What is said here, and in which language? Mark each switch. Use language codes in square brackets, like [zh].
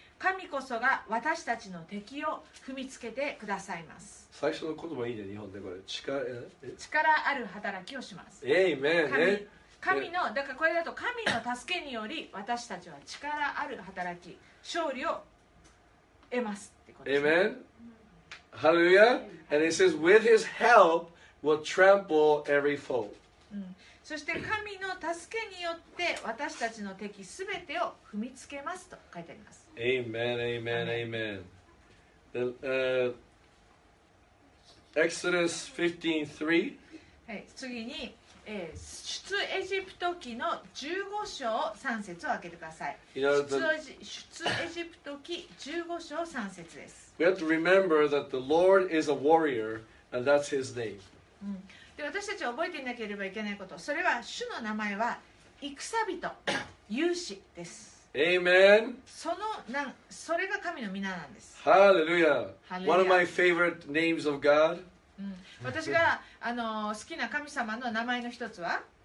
[ja] 神こそが私たちの敵を踏みつけてくださいます。最初の言葉いいね、日本でこれ。力ある働きをします。 [en] Amen. [ja] 神の、だからこれだと神の助けにより私たちは力ある働き、勝利を得ますってことです、 [en] ね。Amen. Hallelujah. And it says, with His help, will trample every foe.、 [ja] うん、そして神の助けによって私たちの敵すべてを踏みつけますと書いてあります。 [en] Amen. Amen. Amen. The, Exodus 15:3. [ja] はい、次に。出エジプト記の15章3節を開けてください。 [en] you know, the, [ja] 出エジプト記15章3節です。 [en] We have to remember that the Lord is a warrior and that's his name、 [ja] うん、で私たちは覚えていなければいけないこと、それは主の名前は戦人勇士です。 [en] Amen. [ja] それが神の名なんです。 [en] Hallelujah. One of my favorite names of God、 [ja] うん、私があの好きな神様の名前の一つは